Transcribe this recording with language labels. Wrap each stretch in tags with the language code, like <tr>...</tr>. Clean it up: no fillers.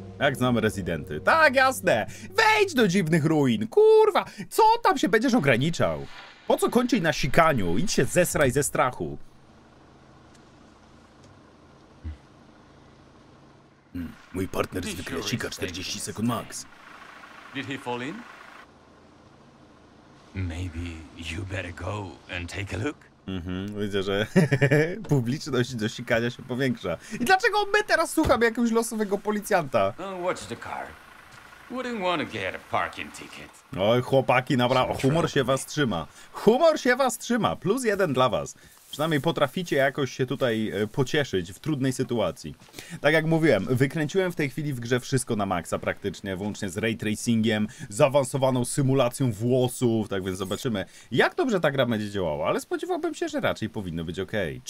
<pl>Jak znam rezydenty. Tak, jasne! Wejdź do dziwnych ruin! Kurwa! Co tam się będziesz ograniczał? Po co kończyć na sikaniu? Idź się zesraj ze strachu! Mój partner zwykle sika 40 sekund max.</pl> <en>Did he fall in? Maybe you better go and take a look?</en> <pl>Widzę, że publiczność do sikania się powiększa. I dlaczego my teraz słuchamy jakiegoś losowego policjanta?</pl> <en>Watch the car. Wouldn't want to get a parking ticket.</en> <pl>Oj, chłopaki, nabra, humor się was trzyma. Humor się was trzyma, plus jeden dla was. Przynajmniej potraficie jakoś się tutaj pocieszyć w trudnej sytuacji. Tak jak mówiłem, wykręciłem w tej chwili w grze wszystko na maksa praktycznie, włącznie z ray tracingiem, zaawansowaną symulacją włosów, tak więc zobaczymy, jak dobrze ta gra będzie działała, ale spodziewałbym się, że raczej powinno być okej.</pl>